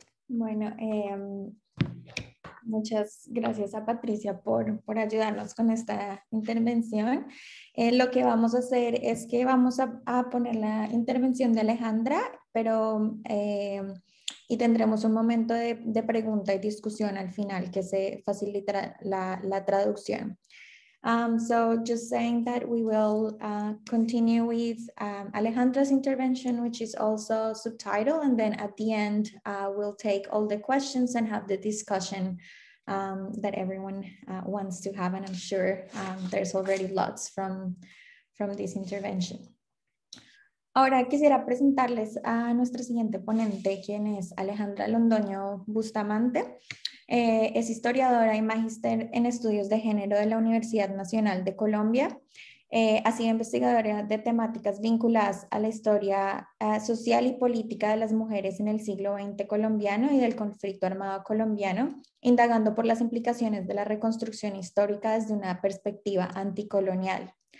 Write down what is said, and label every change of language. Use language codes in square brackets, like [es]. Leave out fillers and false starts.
[es] Bueno, muchas gracias a Patricia por ayudarnos con esta intervención. Lo que vamos a hacer es que vamos a poner la intervención de Alejandra, pero y tendremos un momento de pregunta y discusión al final que se facilitará la traducción. [en] So just saying that we will continue with Alejandra's intervention, which is also subtitled, and then at the end we'll take all the questions and have the discussion that everyone wants to have, and I'm sure there's already lots from this intervention. [es] Ahora quisiera presentarles a nuestra siguiente ponente, quien es Alejandra Londoño Bustamante. Es historiadora y magíster en estudios de género de la Universidad Nacional de Colombia. Ha sido investigadora de temáticas vinculadas a la historia social y política de las mujeres en el siglo XX colombiano y del conflicto armado colombiano, indagando por las implicaciones de la reconstrucción histórica desde una perspectiva anticolonial.